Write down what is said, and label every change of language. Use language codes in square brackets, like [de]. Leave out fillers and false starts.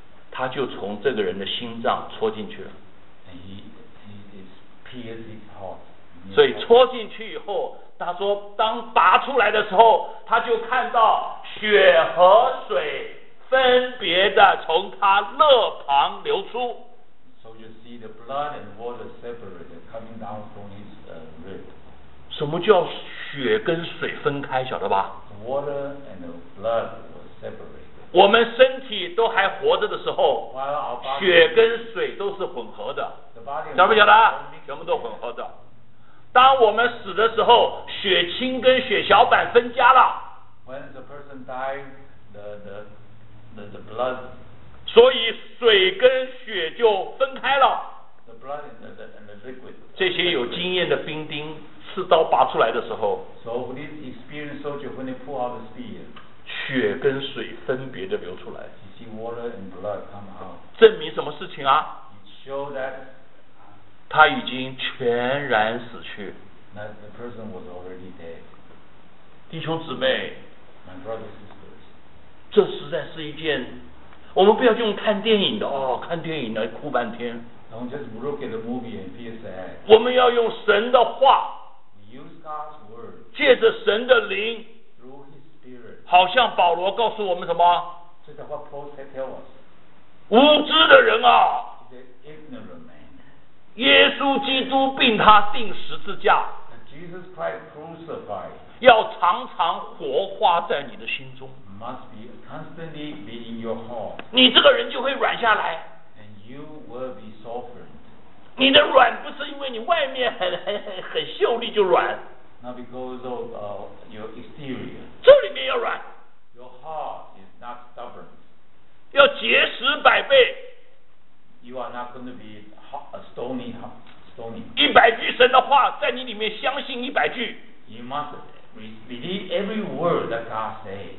[zh] 他就从这个人的心脏戳进去了。 [en] And he pierced his heart. [zh] 所以戳进去以后，他说当拔出来的时候，他就看到血和水分别的从他肋旁流出。 [en] So you see the blood and water separated coming down from his rib. [zh] 什么叫血跟水分开，晓得吧？ [en] Water and blood were separated. [zh] 我们身体都还活着的时候， [en] while our body [zh] 血跟水都是混合的，晓不晓得？全部都混合的。当我们死的时候，血清跟血小板分家了。 [en] When the person died, the blood. [zh] 所以水跟血就分开了。 [en] The blood and the liquid. [zh] 这些有经验的兵丁，刺刀拔出来的时候。 [en] So these experienced soldiers, when they pull out the spear. [zh] 血跟水分别的流出来。 [en] You see water and blood come out. [zh] 证明什么事情啊？ [en] It show that. [zh] 他已经全然死去。 [en] The person was already dead. [zh] 弟兄姊妹， [en] My brothers and sisters. [zh] 这实在是一件，我们不要用看电影的哦，看电影来哭半天。 [en] Don't just look at the movie and feel sad. [zh] 我们要用神的话， [en] We use God's word. [zh] 借着神的灵， [en] Through his spirit. [zh] 好像保罗告诉我们什么？ [en] This is what Paul said to us. [zh] 无知的人啊。 [en] The ignorant. [zh] 耶稣基督并他钉十字架， [en] Jesus Christ crucified, [zh] 要常常活化在你的心中， [en] must be constantly be in your heart, [zh] 你这个人就会软下来。 [en] And you will be softened. [zh] 你的软不是因为你外面 很秀丽就软， [en] not because of, your exterior. [zh] 这里面要软。 [en] Your heart is not stubborn. [zh] 要结实百倍。 [en] You are not going to be a stony. [zh] 一百句神的话在你里面相信一百句。 [en] You must believe every word that God says.